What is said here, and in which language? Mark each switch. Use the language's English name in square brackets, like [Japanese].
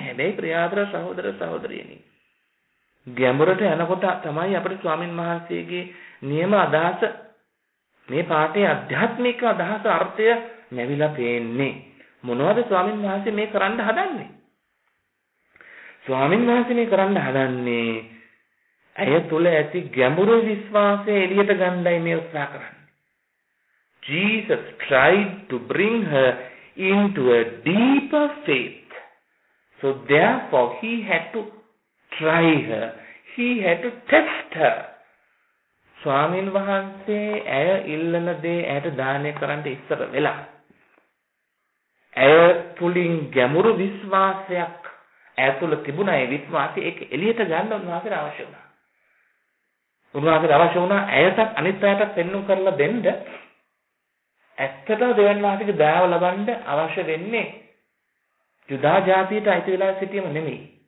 [Sinhala] හැබැයි ප්‍රියාදර සහෝදර සහෝදරියනි, ගැඹුරට යනකොට තමයි අපිට ස්වාමින් වහන්සේගේ නියම අදහස, මේ පාඨයේ අධ්‍යාත්මික අදහස, අර්ථය නැවිලා පේන්නේ. මොනවද ස්වාමින් වහන්සේ මේ කරන්න හදන්නේ? ස්වාමීන් වහන්සේනේ කරන්න හදන්නේ ඇය තුළ ඇති ගැඹුරු විශ්වාසය එළියට ගන්නයි මේ උත්සාහ කරන්නේ. [English] Jesus tried to bring her into a deeper faith. So therefore he had to try her. He had to test her. [Sinhala] ස්වාමීන් වහන්සේ ඇය ඉල්ලන දේ ඇයට දානය කරන්න ඉස්සර වෙලා ඇය තුළින් ගැඹුරු විශ්වාසයක් ඇය තුළ තිබුණා. ඒ විශ්වාසය ඒක එළියට ගන්න උන්වහන්සේට අවශ්‍ය වුණා. උන්වහන්සේට අවශ්‍ය වුණා ඇයටත් අනිත් අයටත් පෙන්නුම් කරලා දෙන්න ඇත්තටම දෙවන් වහන්සේගේ දයාව ලබන්න අවශ්‍ය වෙන්නේ යුදා ජාතියට අයිති වෙලා සිටීම නෙමෙයි.